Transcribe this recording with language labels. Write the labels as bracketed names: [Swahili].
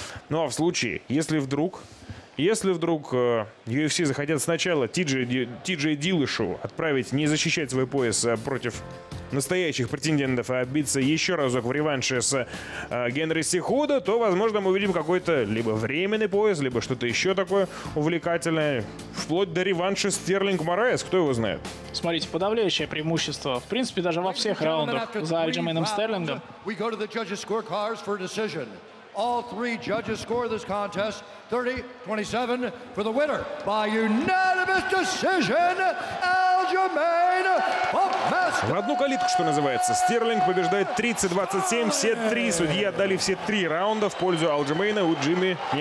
[Russian] Ну а в случае, если вдруг UFC захотят сначала Ти-Джей Дилышу отправить не защищать свой пояс против настоящих претендентов, а биться еще разок в реванше с Генри Сихудо, то, возможно, мы увидим какой-то либо временный пояс, либо что-то еще такое увлекательное. Вплоть до реванша Стерлинг Мораес, кто его знает? Смотрите, подавляющее преимущество. В принципе, даже во всех раундах за Альджамейном Стерлингом. Мы идем к [English] judges' scorecards for a decision. All three judges score this contest 30-27 for the winner by unanimous decision, Aljamain Popmaster. [Russian] В одну калитку, что называется. Стерлинг побеждает 30-27. Все три судьи отдали все три раунда в пользу Алджамейна. У Джимми не было.